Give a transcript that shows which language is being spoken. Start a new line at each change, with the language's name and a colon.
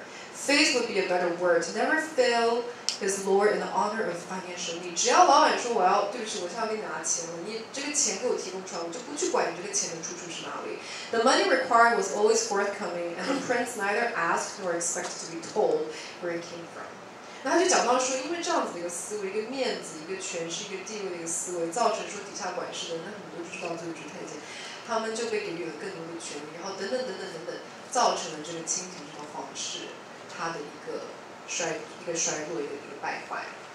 English: Faith would be a better word to never fail his lord in the honor of financial need。
Chinese: 只要老板说我要对不起我现在要给你拿钱了，你这个钱给我提供出来，我就不去管你这个钱的出处是哪里。
English: The money required was always forthcoming and the prince neither asked nor expected to be told where it came from。
Chinese: 那他就讲到说因为这样子的一个思维，一个面子，一个权势，一个地位的一个思维，造成说底下管事的人很多就是到最后就是太监，他们就被给予了更多的权利，然后等等等等等等，造成了这个清廷和皇室他的一个衰落，一个败坏。